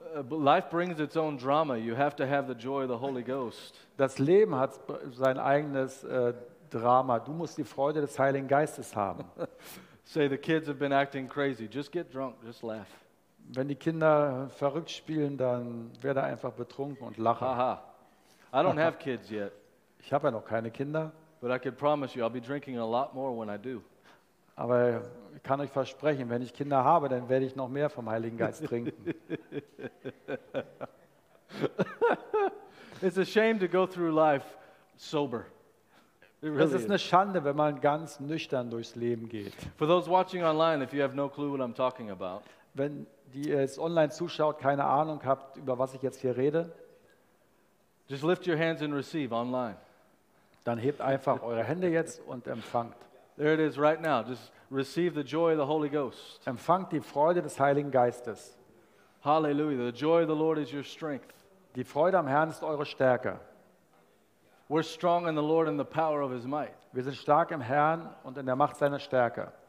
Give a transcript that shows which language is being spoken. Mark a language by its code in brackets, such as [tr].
[en] Life brings its own drama. You have to have the joy of the Holy Ghost. [de] Das Leben hat sein eigenes Drama. Du musst die Freude des Heiligen Geistes haben. [en] Say the kids have been acting crazy. Just get drunk. Just laugh. [de] Wenn die Kinder verrückt spielen, dann werde einfach betrunken und lache. [en] Aha. I don't have kids yet. [de] Ich habe ja noch keine Kinder. [en] But I can promise you, I'll be drinking a lot more when I do. [de] Aber ich kann euch versprechen, wenn ich Kinder habe, dann werde ich noch mehr vom Heiligen Geist trinken. [en] It's a shame to go through life sober. It really [de] es ist eine Schande, wenn man ganz nüchtern durchs Leben geht. [en] For those watching online, if you have no clue what I'm talking about. [de] Wenn die es online zuschaut, keine Ahnung habt, über was ich jetzt hier rede. [en] Just lift your hands and receive online. [de] Dann hebt einfach eure Hände jetzt und empfangt. [en] There it is right now. Just receive the joy of the Holy Ghost. [de] Empfangt die Freude des Heiligen Geistes. [en] Hallelujah. The joy of the Lord is your strength. [de] Die Freude am Herrn ist eure Stärke. [en] We're strong in the Lord and the power of his might. [de] Wir sind stark im Herrn und in der Macht seiner Stärke.